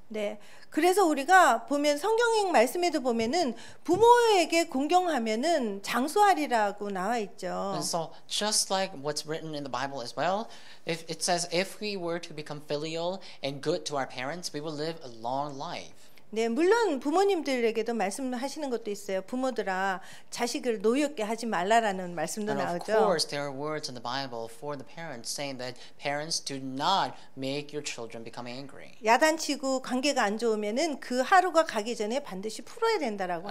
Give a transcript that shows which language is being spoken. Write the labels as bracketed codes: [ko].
[ko] 네. 그래서 우리가 보면 성경의 말씀에도 보면은 부모에게 공경하면은 장수하리라고 나와 있죠. [en] And so just like what's written in the Bible as well, if it says if we were to become filial and good to our parents, we will live a long life. [ko] 네, 물론 부모님들에게도 말씀하시는 것도 있어요. 부모들아, 자식을 노엽게 하지 말라라는 말씀도 [en] And [ko] 나오죠. [en] Of course, there are words in the Bible for the parents saying that parents do not make your children become angry. [ko] 야단치고 관계가 안 좋으면은 그 하루가 가기 전에 반드시 풀어야 된다라고